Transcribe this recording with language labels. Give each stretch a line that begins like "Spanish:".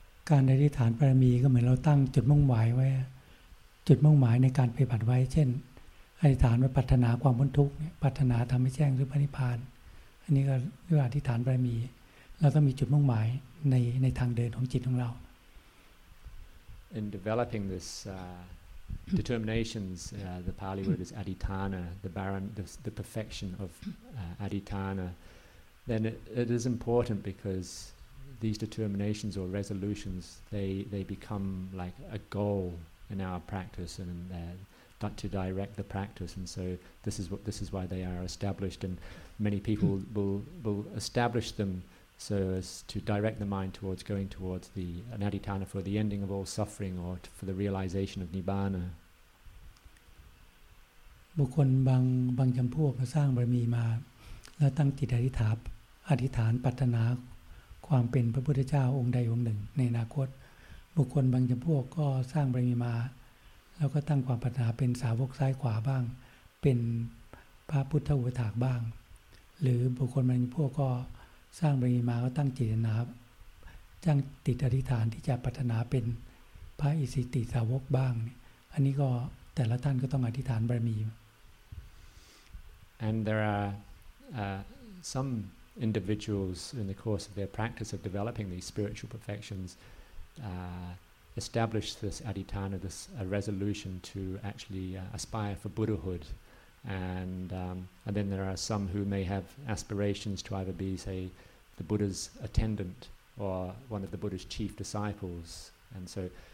Thai: การอธิษฐานบารมีก็เหมือนเราตั้งจุดมุ่งหมายไว้จุดมุ่งหมายในการปฏิบัติไว้เช่นอธิษฐานว่าปรารถนาความพ้นทุกข์เนี่ยปรารถนาทำให้แจ้งหรือพระนิพพานอันนี้ก็เรียกว่าอธิษฐานบารมีเราต้องมีจุดมุ่งหมายในทางเดินของจิตของเรา
English: In developing this determinations the Pali word is adhitana the perfection of adhitana then it is important because these determinations or resolutions they become like a goalin our practice and to direct the practice and so this is why they are established and many people will establish them so as to direct the mind towards going towards the adhitana for the ending of all suffering or for the realization of nibbana
Thai: บุคคลบางจําพวกสร้างบารมีมาแล้วตั้งจิตอธิษฐานปรารถนาความเป็นพระพุทธเจ้าองค์ใดองค์หนึ่งในอนาคตบุคคลบางจำพวกก็สร้างบารมีมาแล้วก็ตั้งความปรารถนาเป็นสาวกซ้ายขวาบ้างเป็นพระพุทธอุปถากบ้างหรือบุคคลบางจำพวกก็สร้างบารมีมาก็ตั้งจิตนะครับ จ้างติดอธิษฐานที่จะปรารถนาเป็นพระอิสิติสาวกบ้างอันนี้ก็แต่ละท่านก็ต้องอธิษฐานบารมี
English: And there are some individuals in the course of their practice of developing these spiritual perfectionsestablish this adhitana, this resolution to actually aspire for Buddhahood, and then there are some who may have aspirations to either be, say, the Buddha's attendant or one of the Buddha's chief disciples. And so,